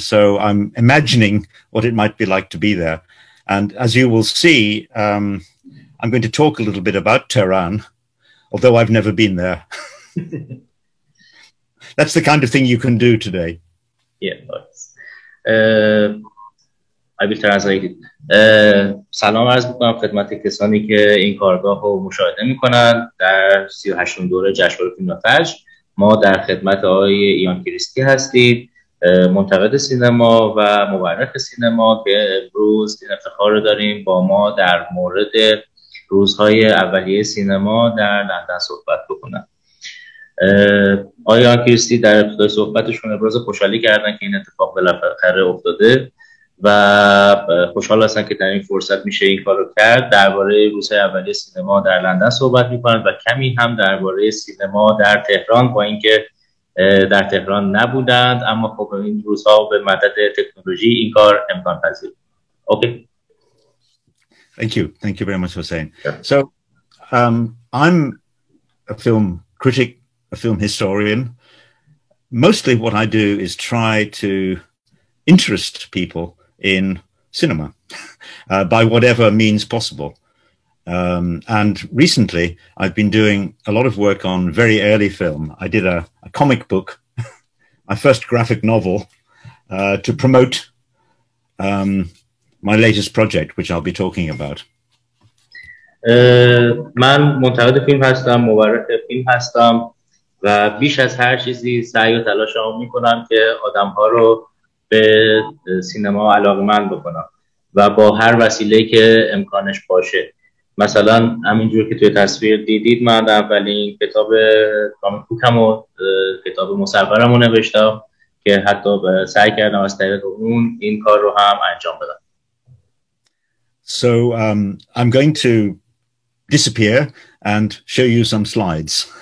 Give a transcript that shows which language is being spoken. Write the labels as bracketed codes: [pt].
[en] So I'm imagining what it might be like to be there. And as you will see, I'm going to talk a little bit about Tehran, although I've never been there. That's the kind of thing you can do today. Yeah, nice. I will translate it. [fa] سلام عرض میکنم خدمت کسانی که این کارگاه رو مشاهده میکنن در 38 دوره جشنواره فیلم فجر. ما در خدمت آقای ایان کریستی هستید، منتقد سینما و مورخ سینما، که امروز این افتخار رو داریم با ما در مورد روزهای اولیه سینما در لندن صحبت بکنن. آقای ایان کریستی در ابتدای صحبتشون ابراز خوشحالی کردن که این اتفاق بالاخره افتاده و خوشحال هستن که در این فرصت میشه این کار رو کرد. درباره روزهای اولیه سینما در لندن صحبت میکنند و کمی هم درباره سینما در تهران، با اینکه در تهران نبودند، اما خب این روزها به مدد تکنولوژی این کار امکان پذیر. [en] Okay. Thank you very much, Hossein. So I'm a film critic, a film historian. Mostly what I do is try to interest people in cinema by whatever means possible, and recently I've been doing a lot of work on very early film. I did a comic book, my first graphic novel, to promote my latest project, which I'll be talking about. [fa] من منتقد فیلم هستم، مورخ فیلم هستم و بیش از هر چیزی سعی و تلاش هم میکنم که آدم ها رو به سینما علاقمند بکنم و با هر وسیله‌ای که امکانش باشه. مثلا همینجور که توی تصویر دیدید، من اولین کتاب کامیک بوکم و کتاب مصورم رو نوشتم که حتی سعی کردم از طریق اون این کار رو هم انجام بدم. [en] So I'm going to disappear and show you some slides.